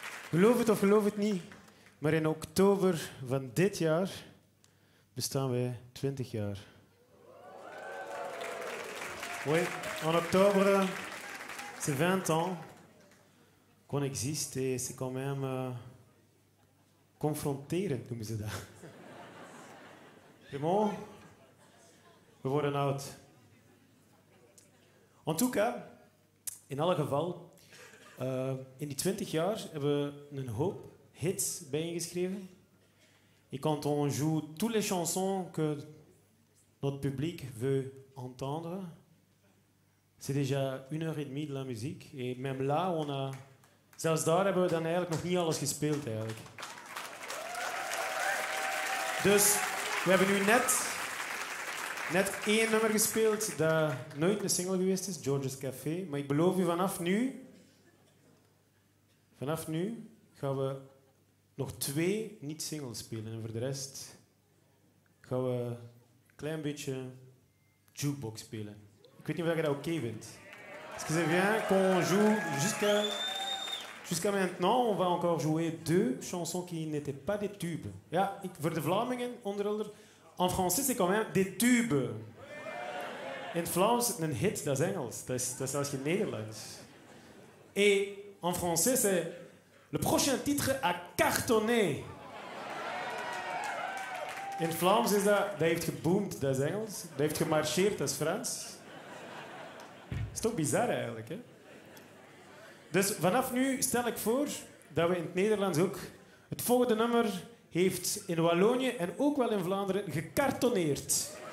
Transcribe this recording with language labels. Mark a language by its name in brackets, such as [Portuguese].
[Dutch] Geloof het of geloof het niet, maar in oktober van dit jaar bestaan wij 20 jaar. [French] Oui, en oktober, c'est 20 ans qu'on existe et c'est quand même [Dutch] confronterend, noemen ze dat. Raymond, we worden oud. [French] En tout cas, [Dutch] in alle geval, in die 20 jaar hebben we een hoop hits bijeengeschreven. [French] Et quand on joue toutes les chansons que notre public veut entendre, c'est déjà une heure et demie de la musique. Et même là, on a... [Dutch] Zelfs daar hebben we dan eigenlijk nog niet alles gespeeld, eigenlijk. Dus we hebben nu net één nummer gespeeld dat nooit een single geweest is, George's Café. Maar ik beloof u, vanaf nu gaan we nog twee niet-singles spelen. En voor de rest gaan we een klein beetje jukebox spelen. Ik weet niet of je dat oké vindt. [French] Est-ce que c'est bien qu'on joue jusqu'à maintenant, on va encore jouer deux chansons qui n'étaient pas des tubes. [Dutch] Ja, voor de Vlamingen onder andere. [French] En français, c'est quand même des tubes. [Dutch] In het Vlaams, een hit, dat is Engels. Dat is als je Nederlands. [French] Et en français, c'est le prochain titre a cartonné. [Dutch] In het Vlaams is dat heeft geboomd, dat is Engels. Dat heeft gemarcheerd, dat is Frans. Dat is toch bizar eigenlijk, hè? Dus vanaf nu stel ik voor dat we in het Nederlands ook het volgende nummer heeft in Wallonië en ook wel in Vlaanderen gekartonneerd.